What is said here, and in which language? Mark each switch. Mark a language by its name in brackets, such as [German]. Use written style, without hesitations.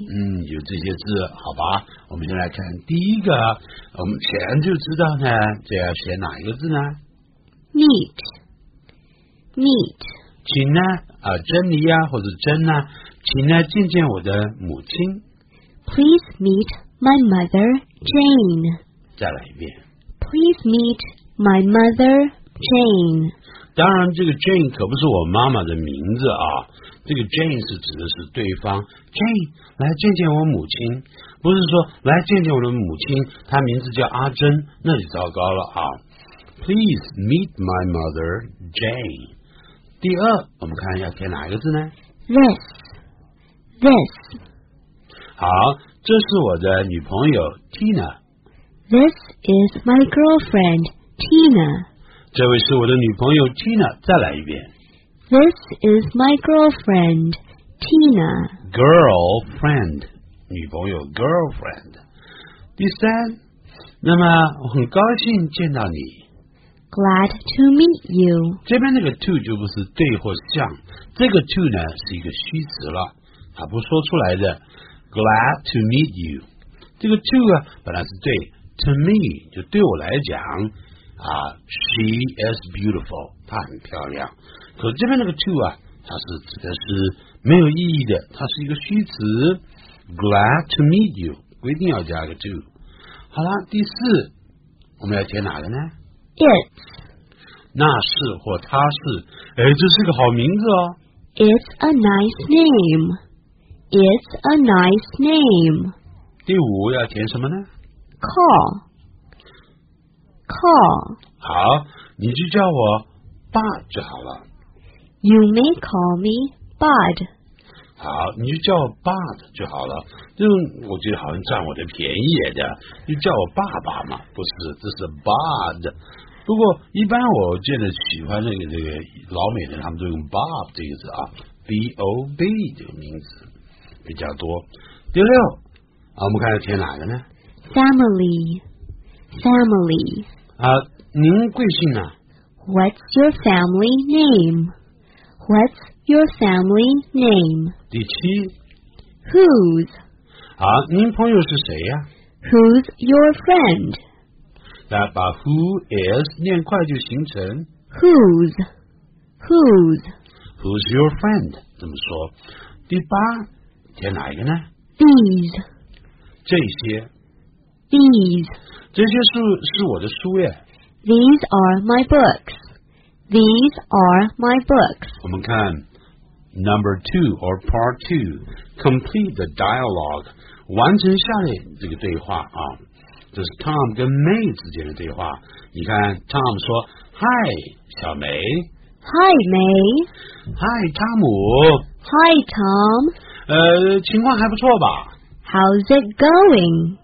[Chinese] 有这些字好吧我们先来看第一个我们前就知道呢这要写哪一个字呢 [English] meet meet [Chinese] 请呢珍妮呀或者珍呢请呢见见我的母亲 [English] Please meet my mother, Jane. [Chinese] 再来一遍。 [English] Please meet my mother, Jane. [Chinese] 当然，这个 Jane 可不是我妈妈的名字啊。这个 Jane 是指的是对方。 Jane, 来见见我母亲。不是说来见见我的母亲，她名字叫阿珍，那就糟糕了啊。 [English] Please meet my mother, Jane. [Chinese] 第二，我们看要填哪一个字呢 [English] ？This. This. [Chinese] 好，这是我的女朋友 Tina。 [English] This is my girlfriend Tina。 [Chinese] 这位是我的女朋友 Tina。再来一遍。 [English] This is my girlfriend Tina。 Girlfriend， 女朋友 girlfriend。 [Chinese] 第三，那么我很高兴见到你。 [English] Glad to meet you。 [Chinese] 这边那个 to 就不是对或向，这个 to 呢是一个虚词了，它不说出来的。 [English] Glad to meet you. [Chinese] 这个 to 啊，本来是对 [English] to me [Chinese] 就对我来讲啊 ， [English] she is beautiful， [Chinese] 她很漂亮。可这边那个 to 啊，它是指的是没有意义的，它是一个虚词。 [English] Glad to meet you， [Chinese] 规定要加个 to。好了，第四，我们要填哪个呢 [English] ？It， [Chinese] 那是或他是，哎，这是个好名字哦。 [English] It's a nice name. It's a nice name. [Chinese] 第五要填什么呢 [English] ？Call. Call. [Chinese] 好，你就叫我 Bud 就好了。 [English] You may call me Bud. [Chinese] 好，你就叫我 Bud 就好了。就我觉得好像占我的便宜的，就叫我爸爸嘛，不是，这是 Bud。不过一般我见的喜欢那个这个老美的，他们都用 Bob 这个字啊 ，B O B 这个名字。比较多。第六，啊，我们看看填哪个呢 [English] ？Family, family. [Chinese] 啊，您贵姓呢 [English] ？What's your family name? What's your family name? [Chinese] 第七 [English] Whose? [Chinese] 啊，您朋友是谁呀？ [English] Who's your friend? [Chinese] 那把 who is 念快就形成 [English] Whose? Whose? Who's your friend? [Chinese] 怎么说？第八填哪一个呢？ [English] These [Chinese] 这些 [English] These [Chinese] 这些书是我的书耶。 [English] These are my books. These are my books. 我们看 number two or part two. Complete the dialogue. [Chinese] 完成下列这个对话啊。这是 Tom 跟 May 之间的对话。你看 Tom 说 Hi, 小梅。 [English] Hi, May. [Chinese] Hi, 汤姆。 [English] Hi, Tom. [Chinese] 情况还不错吧。 [English] How's it going?